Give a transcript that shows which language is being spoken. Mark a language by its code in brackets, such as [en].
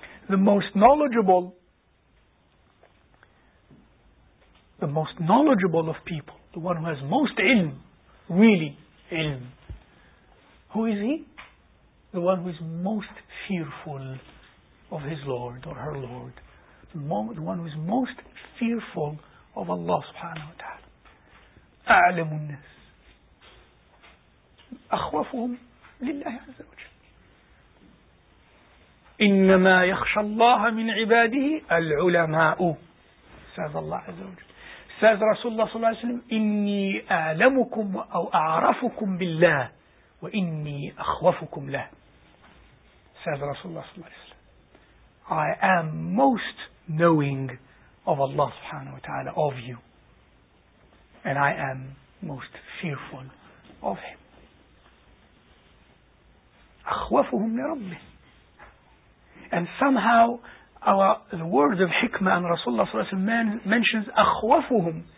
[en] The most knowledgeable, the most knowledgeable of people, the one who has most ilm, really ilm, who is he? The one who is most fearful of his Lord or her Lord. The one who is most fearful of Allah subhanahu wa ta'ala. [ar] أَعْلَمُ النَّاسِ أَخْوَفُهُمْ لِلَّهِ عَزَّ وَجَلَّ إِنَّمَا يَخْشَى اللَّهَ مِنْ عِبَادِهِ الْعُلَمَاءُ says Allah عز وجل. Says Rasulullah صلى الله عليه وسلم إِنِّي أَعْلَمُكُمْ أَوْ أَعْرَفُكُمْ بِاللَّهِ وَإِنِّي أَخْوَفُكُمْ لَهِ says Rasulullah صلى الله عليه وسلم. [en] I am most knowing of Allah subhanahu wa ta'ala, of you. And I am most fearful of Him. [ar] أَخْوَفُهُمْ لِرَبِّهِ. [en] And somehow, the words of Hikmah and Rasulullah صلى الله عليه وسلم mentions أَخْوَفُهُمْ.